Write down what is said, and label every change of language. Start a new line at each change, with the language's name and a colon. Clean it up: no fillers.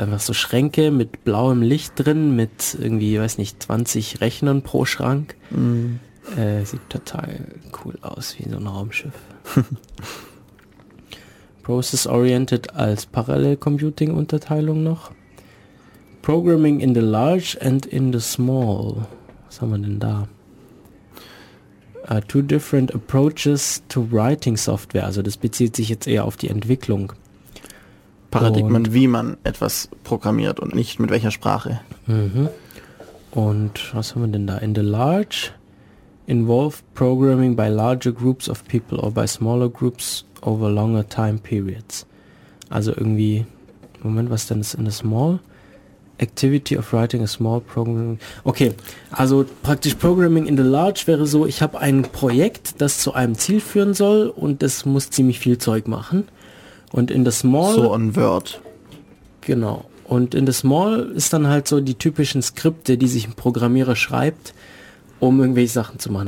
German: Einfach so Schränke mit blauem Licht drin, mit irgendwie, weiß nicht, 20 Rechnern pro Schrank. Mhm. Sieht total cool aus, wie so ein Raumschiff. Process-oriented als Parallel-Computing-Unterteilung noch.
English: Programming in the large and in the small.
German: Was haben wir denn da?
English: Two different approaches to writing software.
German: Also das bezieht sich jetzt eher auf die Entwicklung. Paradigmen, und wie man etwas programmiert und nicht mit welcher Sprache. Mhm. Und was haben wir denn da?
English: In the large, involve programming by larger groups of people or by smaller groups over longer time periods.
German: Also irgendwie, Moment, was denn ist
English: in the small? Activity of writing a small program.
German: Okay, also praktisch Programming in the large wäre so, ich habe ein Projekt, das zu einem Ziel führen soll und das muss ziemlich viel Zeug machen. Und in the small.
English: So on Word.
German: Genau. Und in the small ist dann halt so die typischen Skripte, die sich ein Programmierer schreibt, um irgendwelche Sachen zu machen.